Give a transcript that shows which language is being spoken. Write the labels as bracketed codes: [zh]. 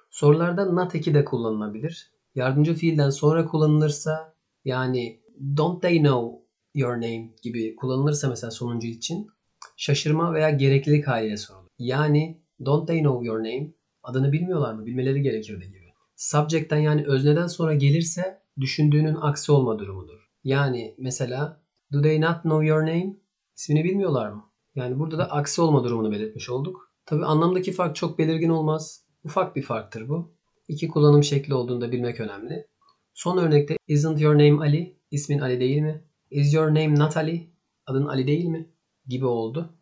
[tr] Sorularda not eki de kullanılabilir. Yardımcı fiilden sonra kullanılırsa, yani [en] don't they know your name [tr] gibi kullanılırsa mesela sonuncu için şaşırma veya gereklilik haliyle sorulur. [en] Yani don't they know your name? [tr] Adını bilmiyorlar mı? Bilmeleri gerekirdi gibi. Subject'ten yani özneden sonra gelirse düşündüğünün aksi olma durumudur. [en] Yani mesela do they not know your name? [tr] İsmini bilmiyorlar mı? Yani burada da aksi olma durumunu belirtmiş olduk. Tabii anlamdaki fark çok belirgin olmaz. Ufak bir farktır bu. İki kullanım şekli olduğunu da bilmek önemli. Son örnekte [en] isn't your name Ali? [tr] İsmin Ali değil mi? [en] Is your name not Ali? [tr] Adın Ali değil mi? Gibi oldu.